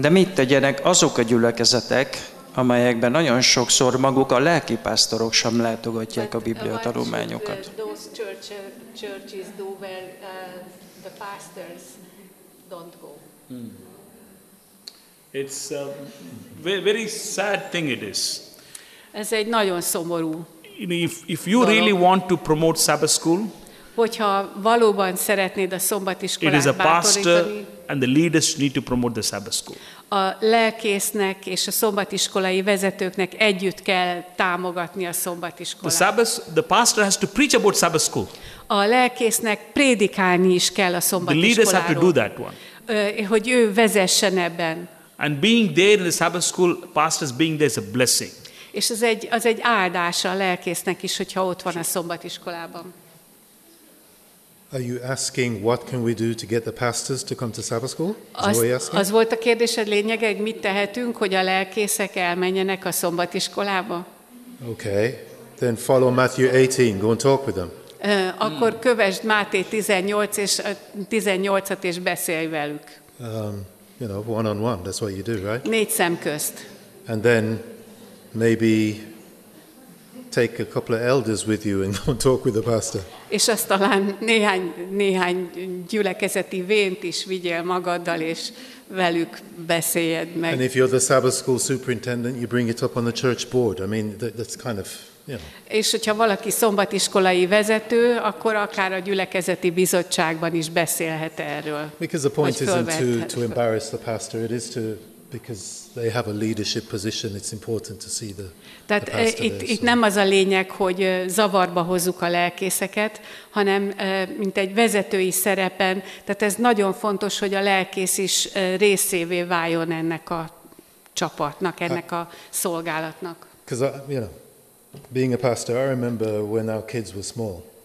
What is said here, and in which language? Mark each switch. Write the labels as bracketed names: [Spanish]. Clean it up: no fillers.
[Hungarian] De mit tegyenek azok a gyülekezetek, amelyekben nagyon sokszor maguk a lelki pásztorok sem látogatják [English] but [Hungarian] a Biblia tanulmányokat. [English] Those churches do where the pastors don't go. It's a very sad thing it is. [Hungarian] Ez egy nagyon szomorú. [English] If you really want to promote Sabbath school, [Hungarian] hogyha valóban szeretnéd a szombatiskolát bátorítani, [English] it is a pastor and the leaders need to promote the Sabbath school. [Hungarian] A lelkésznek és a szombatiskolai vezetőknek együtt kell támogatni a szombatiskolát. [English] The pastor has to preach about Sabbath school. [Hungarian] A lelkésznek prédikálni is kell a szombatiskoláról. [English] The leaders have to do that one. [Hungarian] Hogy ő vezessen ebben. [English] And being there in the Sabbath school, pastors being there is a blessing. [Hungarian] És az egy áldása a lelkésznek is, hogyha ott van a szombatiskolában. [English] Are you asking what can we do to get the pastors to come to Sabbath school? [Hungarian] Az volt a kérdésed lényege, hogy mit tehetünk, hogy a lelkészek elmenjenek a szombatiskolába? [English] Okay, then follow Matthew 18, go and talk with them. [Hungarian] Akkor kövesd Máté 18-at és beszélj velük. [English] You know, one on one, that's what you do, right? [Hungarian] Négy szem közt. [English] And then maybe take a couple of elders with you and go and talk with the pastor. [Hungarian] És azt talán néhány gyülekezeti vént is vigyél magaddal, és velük beszéljed meg. [English] And if you're the Sabbath school superintendent, you bring it up on the church board. I mean, that's kind of, you know. [Hungarian] És hogyha valaki szombatiskolai vezető, akkor akár a gyülekezeti bizottságban is beszélhet erről. [English] Because the point isn't to embarrass the pastor, it is to, because they have a leadership position, it's important to see the [Hungarian] tehát [English] the [Hungarian] itt, [English] there, [Hungarian] itt [English] so. [Hungarian] Nem az a lényeg, hogy zavarba hozzuk a lelkészeket, hanem mint egy vezetői szerepen, tehát ez nagyon fontos, hogy a lelkész is részévé váljon ennek a csapatnak, ennek a szolgálatnak. [English] Because, you know, being a pastor, I remember when our kids were small.